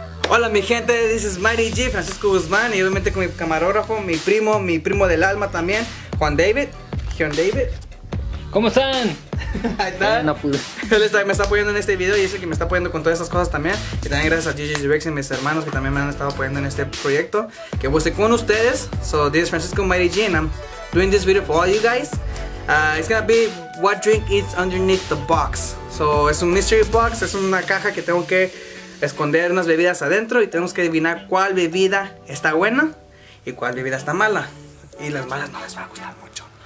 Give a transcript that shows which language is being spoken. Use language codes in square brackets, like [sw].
[es] Hola, mi gente, [en] this is Mighty G, [es] Francisco Guzmán, y obviamente con mi camarógrafo, mi primo del alma también, Juan David, John David. ¿Cómo están? No pude. Él me está apoyando en este video y es el que me está apoyando con todas estas cosas también. Y también gracias a JJ Rex y mis hermanos que también me han estado apoyando en este proyecto. Que voy a estar con ustedes. [en] So, this is Francisco Mighty G and I'm doing this video for all you guys. It's gonna be what drink is underneath the box. [es] So, es un [en] mystery box. [es] Es una caja que tengo que esconder unas bebidas adentro y tenemos que adivinar cuál bebida está buena y cuál bebida está mala. Y las malas no les va a gustar mucho.